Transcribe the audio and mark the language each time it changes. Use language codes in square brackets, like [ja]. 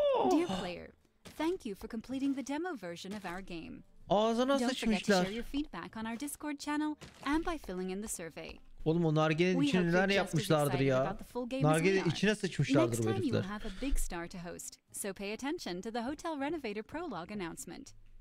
[en] Dear player, thank you for completing the demo version of our game. [tr] Ağzına sıçmışlar. [en] Don't forget to share your feedback on our Discord channel and by filling in the survey. [tr] Oğlum o nargenin içine neler yapmışlardır ya. Nargenin içine sıçmışlardır bu herifler. [en] Next time you have a big star to host, so pay attention to the Hotel Renovator Prologue announcement.